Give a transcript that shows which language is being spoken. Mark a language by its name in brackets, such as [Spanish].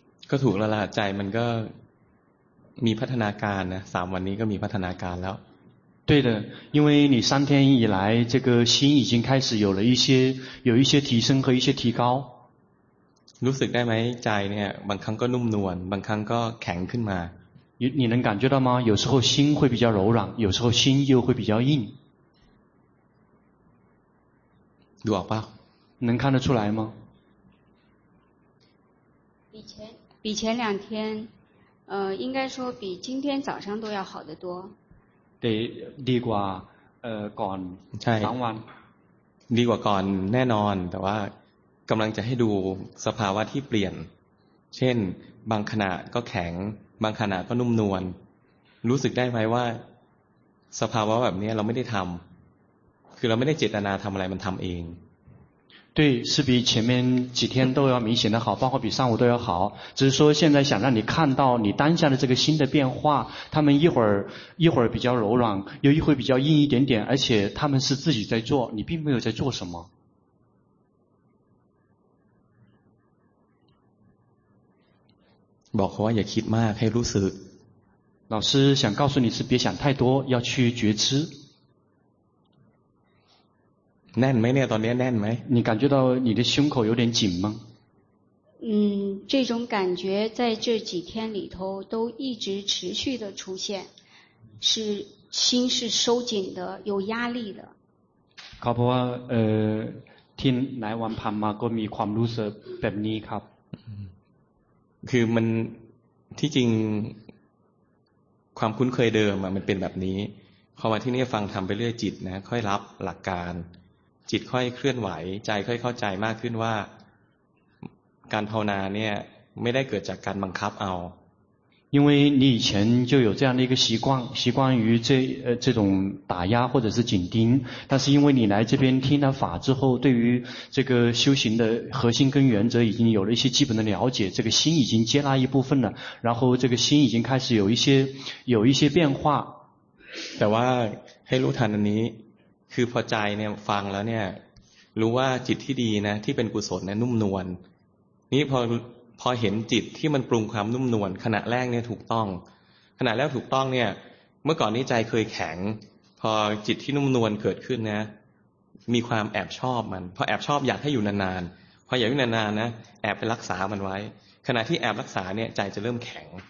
[Thai] ก็ถูกแล้วล่ะใจมันก็มีพัฒนาการนะสามวันนี้ก็มีพัฒนาการแล้ว [Chinese] 对的，因为你三天以来这个心已经开始有了一些提升和一些提高。 [Thai] รู้สึกได้ไหมใจเนี่ยบางครั้งก็นุ่มนวลบางครั้งก็แข็งขึ้นมา [Chinese] 你能感觉到吗？有时候心会比较柔软，有时候心又会比较硬。 [Thai] ดูออกป่ะ [Chinese] 能看得出来吗？比前两天，应该说比今天早上都要好得多。 [Thai] 得ดีกว่าก่อน ใช่ สองวัน ดีกว่าก่อนแน่นอนแต่ว่ากำลังจะให้ดูสภาวะที่เปลี่ยนเช่นบางขณะก็แข็งบางขณะก็นุ่มนวลรู้สึกได้ไหมว่าสภาวะแบบนี้เราไม่ได้ทำคือเราไม่ได้เจตนาทำอะไรมันทำเอง [Chinese] 对，是比前面几天都要明显的好，包括比上午都要好。只是说现在想让你看到你当下的这个心的变化，他们一会儿比较柔软，又一会儿比较硬一点点，而且他们是自己在做，你并没有在做什么。 [Thai] 老师，อย่าคิดมากให้รู้สึก。 [Chinese] 老师想告诉你是别想太多，要去觉知。 [Thai] แน่นไหมเนี่ยตอนนี้แน่นไหม [Chinese] 你感觉到你的胸口有点紧吗嗯这种感觉在这几天里头都一直持续的出现是心是收紧的有压力的 [Thai] ครับเพราะว่าที่หลายวันผ่านมาก็มีความรู้สึกแบบนี้ครับ คือมันที่จริงความคุ้นเคยเดิมมันเป็นแบบนี้พอมาที่นี่ฟังทำไปเรื่อยจิตนะค่อยรับหลักการจิตค่อยเคลื่อนไหวใจค่อยเข้าใจมากขึ้นว่าการภาวนาเนี่ยไม่ได้เกิดจากการบังคับเอา [Chinese] 因为你以前就有这样的一个习惯于这种打压或者是紧盯，但是因为你来这边听了法之后，对于这个修行的核心跟原则已经有了一些基本的了解，这个心已经接纳一部分了，然后这个心已经开始有一些变化。 [Thai] แต่ว่าให้รู้ทันอันนี้คือพอใจเนี่ยฟังแล้วเนี่ยรู้ว่าจิตที่ดีนะที่เป็นกุศลเนี่ยนุ่มนวลนี่พอเห็นจิตที่มันปรุงความนุ่มนวลขณะแรกเนี่ยถูกต้องขณะแรกถูกต้องเนี่ยเมื่อก่อนนี้ใจเคยแข็งพอจิตที่นุ่มนวลเกิดขึ้นนะมีความแอบชอบมันพอแอบชอบอยากให้อยู่นานๆพออยากอยู่นานๆนะแอบไปรักษามันไว้ขณะที่แอบรักษาเนี่ยใจจะเริ่มแข็ง